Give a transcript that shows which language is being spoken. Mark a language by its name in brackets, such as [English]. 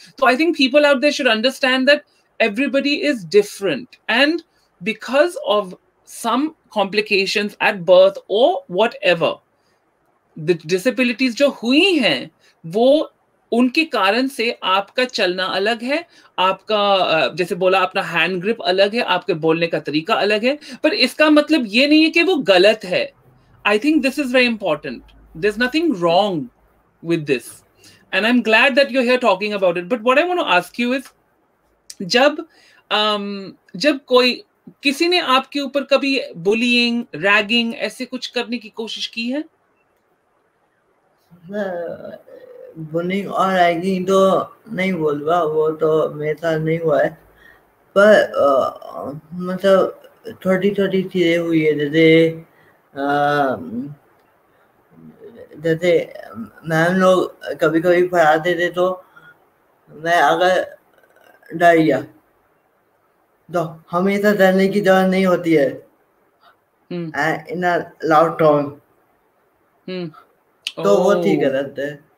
[Hindi] तो [English] I think people out there should understand that everybody is different, and because of some complications at birth or whatever, the disabilities [Hindi] जो हुई हैं वो उनके कारण से आपका चलना अलग है, आपका जैसे बोला अपना hand grip अलग है, आपके बोलने का तरीका अलग है, पर इसका मतलब ये नहीं है कि वो गलत है। [English] I think this is very important. There's nothing wrong with this, and I'm glad that you're here talking about it. But what I want to ask you is, [Hindi] जब कोई किसी ने आपके ऊपर कभी बुलिंग, रैगिंग ऐसे कुछ करने की कोशिश की है? बुलिंग और रैगिंग तो नहीं बोलूंगा, वो तो मेरे साथ नहीं हुआ है, पर मतलब छोटी छोटी चीजें हुई है, जैसे जैसे मैम लोग कभी कभी पढ़ाते थे तो मैं अगर डर गया तो हमेशा डरने की जरूरत नहीं होती है [English] in a loud tone, [Hindi] तो वो ठीक गलत है।